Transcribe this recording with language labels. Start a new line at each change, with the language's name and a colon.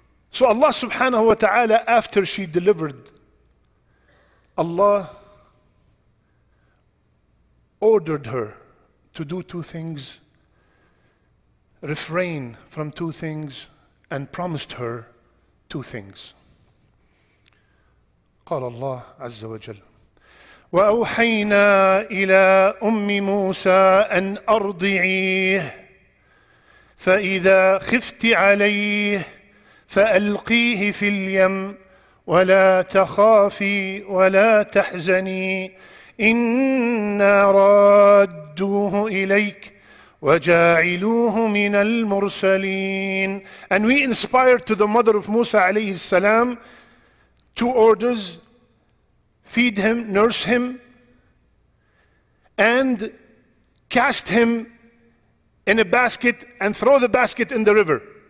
English: So Allah subhanahu wa ta'ala, after she delivered, Allah ordered her to do two things, refrain from two things, and promised her two things.
Arabic: قال الله عز وجل وأوحينا إلى أم موسى أن أرضعيه فإذا خفت عليه فألقيه في اليم ولا تخافي ولا تحزني إنا رادوه إليك وَجَاعِلُوهُ مِنَ الْمُرْسَلِينَ.
English: And we inspired to the mother of Musa alayhi salam two orders: feed him, nurse him, and cast him in a basket and throw the basket in the river.